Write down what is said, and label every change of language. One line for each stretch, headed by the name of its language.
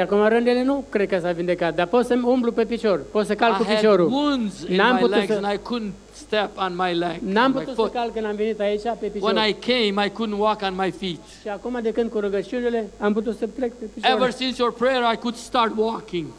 Romanian: Acum rănile nu cred că s-a vindecat, dar pot să umblu pe picior. Pot să calc cu piciorul. N-am putut să
English: and I couldn't step on my leg.
Romanian: N-am putut să calc când am venit aici pe picior.
English: When I came, I couldn't walk on my feet.
Romanian: Și acum de când cu rugăciunile am putut să plec pe picior.
English: Ever since your prayer, I could start walking.